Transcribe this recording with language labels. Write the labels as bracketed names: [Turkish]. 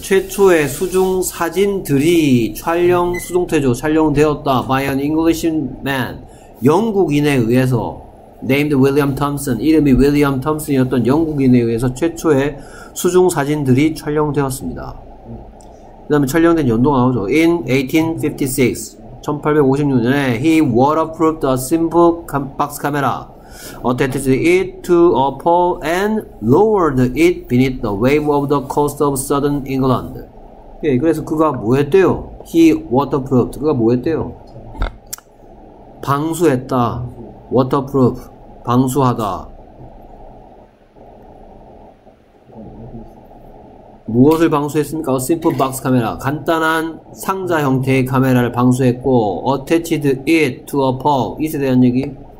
[Korean] 최초의 수중 사진들이 촬영 수중태조 촬영되었다. [English] By an Englishman, [Korean] 영국인에 의해서. [English] Named William Thompson, [Korean] 이름이 William Thompson이었던 영국인에 의해서 최초의 수중 사진들이 촬영되었습니다. 그 다음에 촬영된 연도가 나오죠. [English] In 1856, [Korean] 1856년에 [English] he waterproofed a simple box camera, attached it to a pole and lowered it beneath the wave of the coast of southern England. [Korean] 예, 그래서 그가 뭐 했대요? [English] He waterproofed. [Korean] 그가 뭐 했대요? 방수했다. Waterproof. 방수하다. 무엇을 방수했습니까? [English] A simple box camera. [Korean] 간단한 상자 형태의 카메라를 방수했고, [English] attached it to a pole. [Korean] 이에 대한 얘기?